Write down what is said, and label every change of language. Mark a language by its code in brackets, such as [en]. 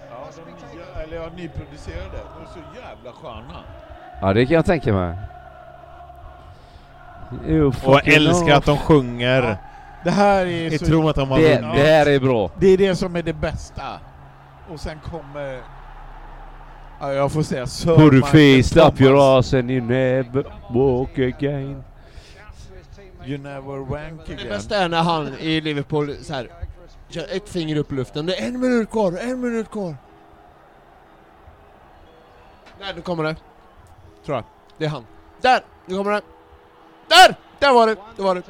[sv] Ja, eller jag nyproducerade. De är så jävla sköna. Ja, det kan jag tänka mig. Och jag älskar att de sjunger. Ja, det här är jag så tror att de har det här är bra. Det är det som är det bästa. Och sen kommer... Ja, jag får säga... [en] So put your face up your ass and you never walk again. You never wank again. [sv] Det bästa är när han i Liverpool så här, kör ett finger upp i luften. Det är en minut kvar, en minut kvar. Nej, nu kommer det. Tror jag. Det är han. Där! Nu kommer han. Där! Där var det! Där var det.